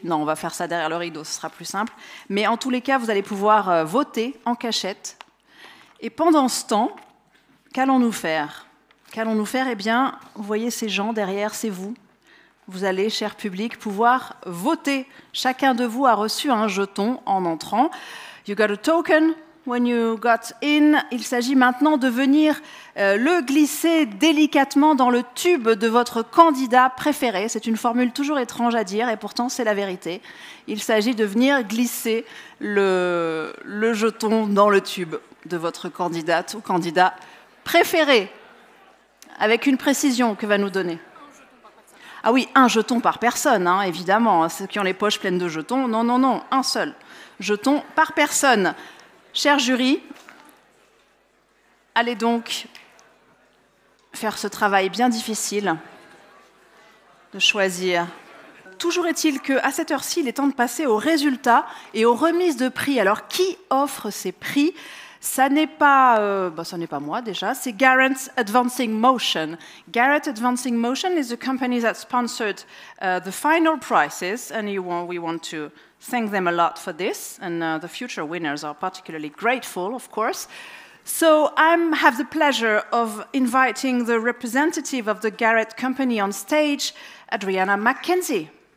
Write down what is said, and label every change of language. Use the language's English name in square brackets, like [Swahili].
[French] Non, on va faire ça derrière le rideau, ce sera plus simple. Mais en tous les cas, vous allez pouvoir voter en cachette. Et pendant ce temps, qu'allons-nous faire? Qu'allons-nous faire? Eh bien, vous voyez ces gens derrière, c'est vous. Vous allez, cher public, pouvoir voter. Chacun de vous a reçu un jeton en entrant. [English] You got a token when you got in. [French] Il s'agit maintenant de venir le glisser délicatement dans le tube de votre candidat préféré. C'est une formule toujours étrange à dire et pourtant c'est la vérité. Il s'agit de venir glisser le jeton dans le tube de votre candidate ou candidat préféré. Avec une précision que va nous donner. Ah oui, un jeton par personne, hein, évidemment. Ceux qui ont les poches pleines de jetons, non, un seul jeton par personne. Cher jury, allez donc faire ce travail bien difficile de choisir. Toujours est-il qu'à cette heure-ci, il est temps de passer aux résultats et aux remises de prix. Alors, qui offre ces prix? Ça n'est pas moi déjà, c'est Garrett Advancing Motion. [English] Garrett Advancing Motion is a company that sponsored the final prizes, and we want to thank them a lot for this, and the future winners are particularly grateful, of course. So I have the pleasure of inviting the representative of the Garrett company on stage, Adriana McKenzie.